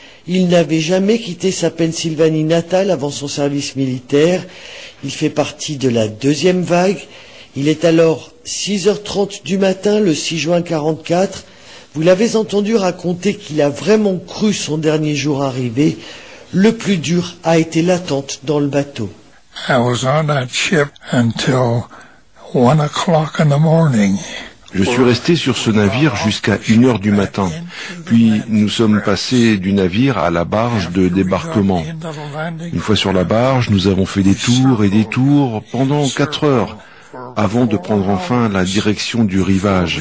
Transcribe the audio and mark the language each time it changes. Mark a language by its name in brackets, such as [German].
[French] Il n'avait jamais quitté sa Pennsylvanie natale avant son service militaire. Il fait partie de la deuxième vague. Il est alors 6h30 du matin, le 6 juin 44. Vous l'avez entendu raconter qu'il a vraiment cru son dernier jour arrivé. Le plus dur a été l'attente dans le bateau. [English] I was on that ship until 1 o'clock in the morning. [French] Je suis resté sur ce navire jusqu'à 1h du matin. Puis nous sommes passés du navire à la barge de débarquement. Une fois sur la barge, nous avons fait des tours et des tours pendant 4 heures avant de prendre enfin la direction du rivage.